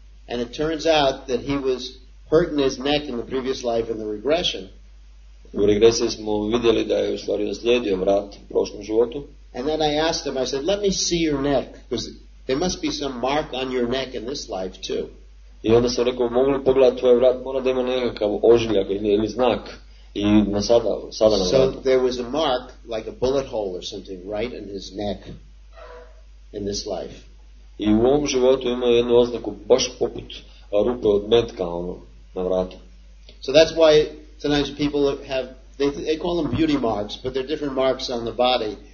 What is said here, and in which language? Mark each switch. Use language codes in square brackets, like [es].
[en] And it turns out that he was hurting his neck in the previous life in the regression. [hr] U regresiji smo vidjeli da je u stvari naslijedio vrat u prošlom životu. [en] And then I asked him, I said, let me see your neck, because there must be some mark on your neck in this life too. [hr] I onda sam rekao, mogu li pogledati tvoj vrat, mora da ima nekakav ožiljak ili znak i na sada na vratu. [en] So there was a mark like a bullet hole or something right in his neck in this life. [hr] I u ovom životu ima jednu oznaku baš poput rupe od metka ono na vratu. [en] So that's why sometimes people have they call them beauty marks, but they're different marks on the body